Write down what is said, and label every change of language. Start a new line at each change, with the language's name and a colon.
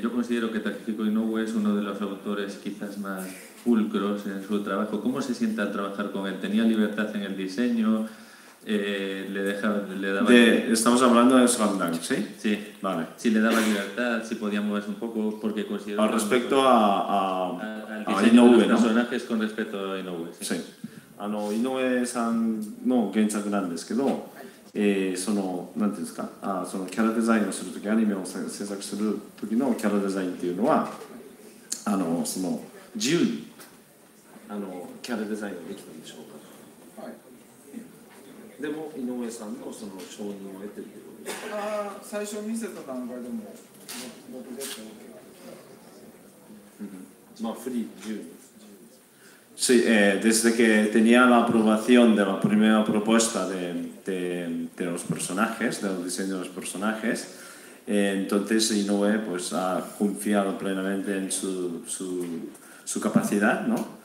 Spanish: Yo considero que Takehiko Inoue es uno de los autores quizás más pulcros en su trabajo. ¿Cómo se siente al trabajar con él? ¿Tenía libertad en el diseño? le dejaba, le daba de, estamos hablando de Slam Dunk, ¿sí? Sí. Vale. Si le daba libertad, si podía moverse un poco, porque considero... Al respecto mejor, a Inoue, ¿no? Personajes con respecto a Inoue, sí. Sí. Ah, no,
Japanese: Inoue-san の原作なんですけど、その、なんていうんですか、そのキャラデザインをするとき、アニメを制作するときのキャラデザインっていうのは、その、自由に、キャラデザインができたんでしょうか。はい。でも、Inoue-san のその承認を得てるってことですか。最初見せた段階でも、僕出てるわけがあって。まあ、フリー、自由に。
Spanish: Sí, desde que tenía la aprobación de la primera propuesta de los personajes, del diseño de los personajes, entonces Inoue pues, ha confiado plenamente en su capacidad, ¿no?